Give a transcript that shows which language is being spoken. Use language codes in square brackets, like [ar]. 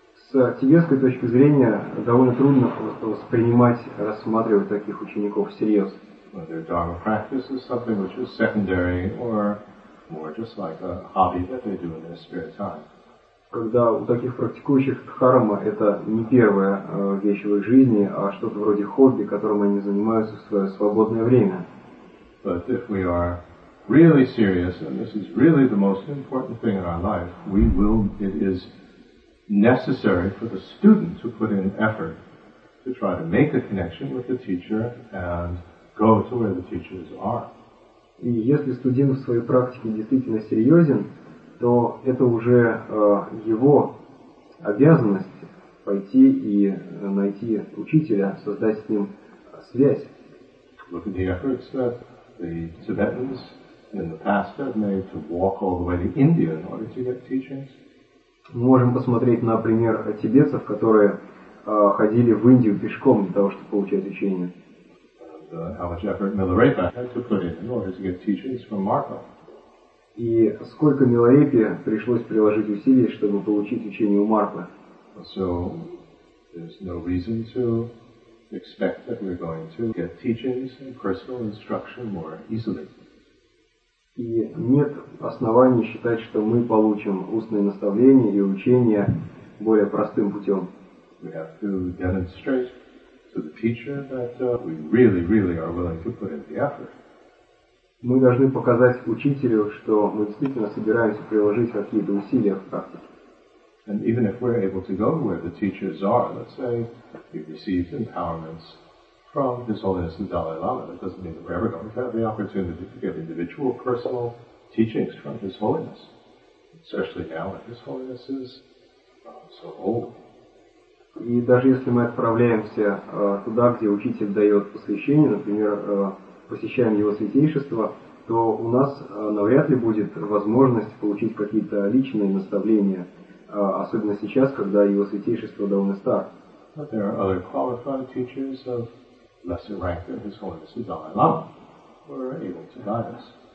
[ru] С тибетской точки зрения довольно трудно воспринимать, рассматривать таких учеников всерьез. [en] Whether dharma practice is something which is secondary or more just like a hobby that they do in their spare time. [ru] Когда у таких практикующих дхарма это не первая вещь в их жизни, а что-то вроде хобби, которым они занимаются в свое свободное время. [en] But if we are really serious, and this is really the most important thing in our life, we will, it is necessary for the student to put in effort to try to make a connection with the teacher and go to where the teachers are. [ru] И если студент в своей практике действительно серьезен, то это уже его обязанность пойти и найти учителя, создать с ним связь. [en] Look at the efforts that the Tibetans in the past have made to walk all the way to India in order to get teachings. [ru] Мы можем посмотреть на пример тибетцев, которые ходили в Индию пешком для того, чтобы получать учение. [en] How much effort Milarepa had to put in order to get teachings from Marco. [ru] И сколько Миларепе пришлось приложить усилий, чтобы получить учение у Марко. [en] So, there's no reason to expect that we're going to get teachings and personal instruction more easily. [ru] И нет оснований считать, что мы получим устное наставление и учение более простым путем. [en] We have to demonstrate to the teacher that we really, really are willing to put in the effort. [ru] мы должны показать учителю, что мы действительно собираемся приложить какие-то усилия в практике. [en] And even if we're able to go where the teachers are, let's say we've received empowerments from His Holiness the Dalai Lama, that doesn't mean that we're ever going to have the opportunity to get individual, personal teachings from His Holiness, especially now when His Holiness is so old. [ru] И даже если мы отправляемся туда, где учитель дает посвящение, например, посещаем Его Святейшество, то у нас навряд ли будет возможность получить какие-то личные наставления. Особенно сейчас, когда Его Святейшество довольно стар. [en] But there are other qualified teachers of lesser rank than His Holiness the Dalai Lama who are able to guide us.